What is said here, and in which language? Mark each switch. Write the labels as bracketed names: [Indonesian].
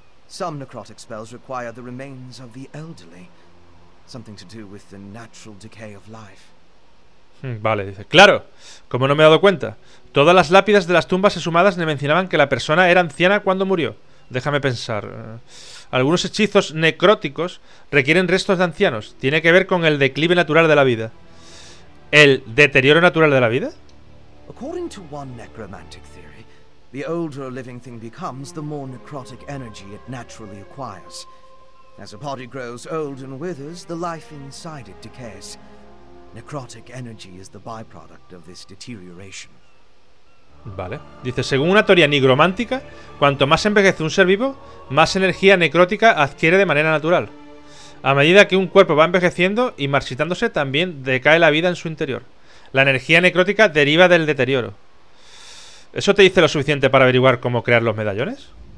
[English] Some necrotic spells require the remains of the elderly. Something to do with the natural decay of life. [Spanish] Vale, dice. ¡Claro! ¿Cómo no me he dado cuenta? Todas las lápidas de las tumbas exhumadas me mencionaban que la persona era anciana cuando murió. Déjame pensar. Algunos hechizos necróticos requieren restos de ancianos. Tiene que ver con el declive natural de la vida. ¿El deterioro natural de la vida? [English] According to one necromantic theory, the older a living thing becomes, the more necrotic energy it naturally acquires. As a body grows old and withers, the life inside it decays. Necrotic energy is the byproduct of this deterioration. [Spanish] Vale. Dice, según una teoría nigromántica, cuanto más envejece un ser vivo, más energía necrótica adquiere de manera natural. A medida que un cuerpo va envejeciendo y marchitándose, también decae la vida en su interior. La energía necrótica deriva del deterioro. ¿Eso te dice lo suficiente para averiguar cómo crear los medallones?